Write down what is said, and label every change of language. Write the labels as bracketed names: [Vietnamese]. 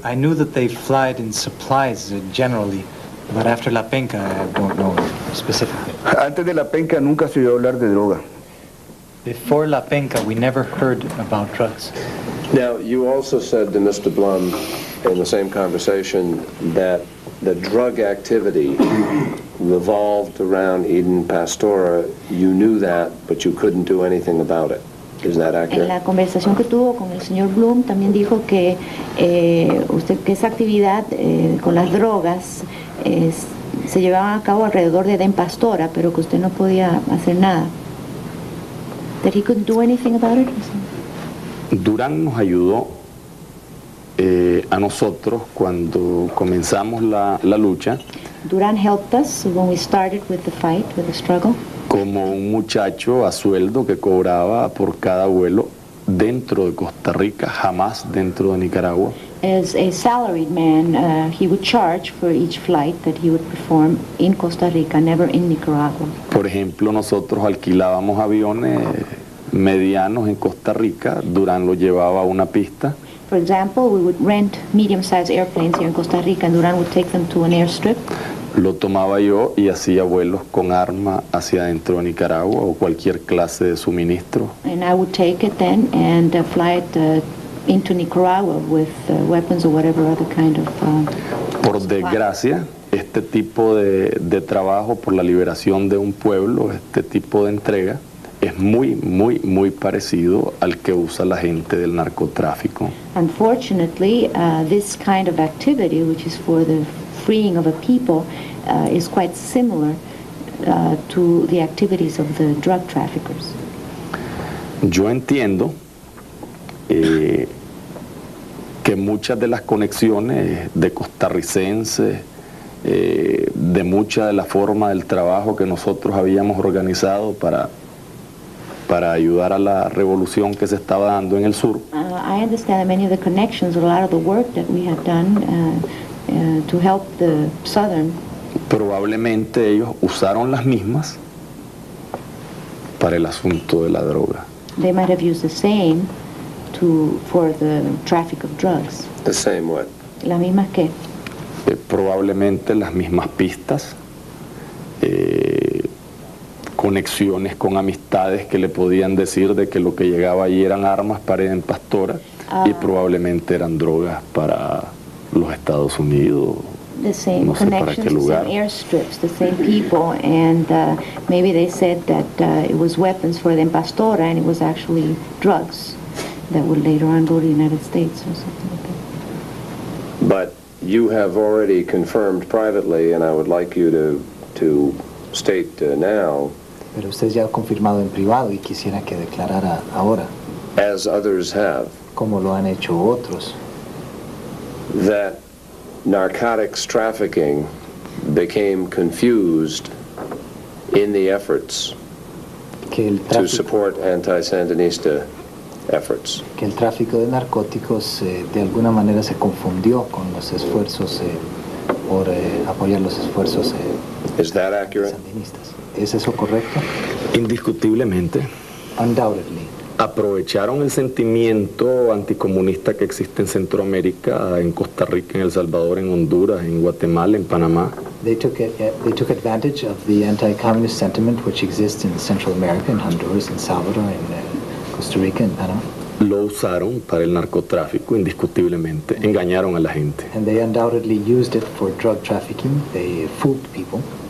[English] I knew that they flied in supplies generally, but after La Penca, I don't know specifically. [Spanish] Antes de La Penca nunca se oyó hablar de droga. [English] Before La Penca, we never heard about drugs. Now, you also said to Mr. Blum in the same conversation that the drug activity revolved around Eden Pastora. You knew that, but you couldn't do anything about it. Is that accurate? [Spanish] En la conversación que tuvo con el señor Blum, también dijo que usted que esa actividad con las drogas se llevaba a cabo alrededor de Eden Pastora, pero que usted no podía hacer nada. [English] That he couldn't do anything about it. [Spanish] Durán nos ayudó a nosotros cuando comenzamos la lucha. [English] Durán helped us when we started with the fight, with the struggle. [Spanish] Como un muchacho a sueldo que cobraba por cada vuelo dentro de Costa Rica, jamás dentro de Nicaragua. [English] As a salaried man, he would charge for each flight that he would perform in Costa Rica, never in Nicaragua. [Spanish] Por ejemplo, nosotros alquilábamos aviones medianos en Costa Rica, Durán lo llevaba a una pista. [English] For example, we would rent medium-sized airplanes here in Costa Rica and Durán would take them to an airstrip. [Spanish] Lo tomaba yo y hacía vuelos con arma hacia adentro de Nicaragua o cualquier clase de suministro. [English] And I would take it then and fly it into Nicaragua with weapons or whatever other kind of... [Spanish] Por desgracia, este tipo de trabajo por la liberación de un pueblo, este tipo de entrega, es muy, muy, muy parecido al que usa la gente del narcotráfico. [English] Unfortunately, this kind of activity, which is for the freeing of a people, is quite similar to the activities of the drug traffickers. [Spanish] Yo entiendo que muchas de las conexiones de costarricenses, de mucha de la forma del trabajo que nosotros habíamos organizado para ayudar a la revolución que se estaba dando en el sur. [English] I understand that many of the connections, a lot of the work that we had done to help the southern. [Spanish] Probablemente ellos usaron las mismas para el asunto de la droga. [English] They might have used the same for the traffic of drugs. The same what? [Spanish] La misma qué? Probablemente las mismas pistas. Conexiones con amistades que le podían decir de que lo que llegaba allí eran armas para Eden Pastora y probablemente eran drogas para los Estados Unidos. [English] The same [Spanish] no [English] connections, [Spanish] sé para qué lugar. [English] Same airstrips, the same people, and maybe they said that it was weapons for Eden Pastora and it was actually drugs that would later on go to the United States or something like that. But you have already confirmed privately, and I would like you to state now. [Spanish] Pero usted ya ha confirmado en privado y quisiera que declarara ahora. [English] As others have. [Spanish] Como lo han hecho otros. [English] That narcotics trafficking became confused in the efforts [Spanish] que el tráfico, [English] to support anti-Sandinista efforts. [Spanish] Que el tráfico de narcóticos de alguna manera se confundió con los esfuerzos por apoyar los esfuerzos [English] Is that accurate? [Spanish] Sandinistas. ¿Es eso correcto? Indiscutiblemente. [English] Undoubtedly. [Spanish] Aprovecharon el sentimiento anticomunista que existe en Centroamérica, en Costa Rica, en El Salvador, en Honduras, en Guatemala, en Panamá. [English] They took advantage of the anti-communist sentiment which exists in Central America, in Honduras, in Salvador, in Costa Rica, in Panama. [Spanish] Lo usaron para el narcotráfico, indiscutiblemente. Engañaron a la gente. [English] And they undoubtedly used it for drug trafficking. They fooled people.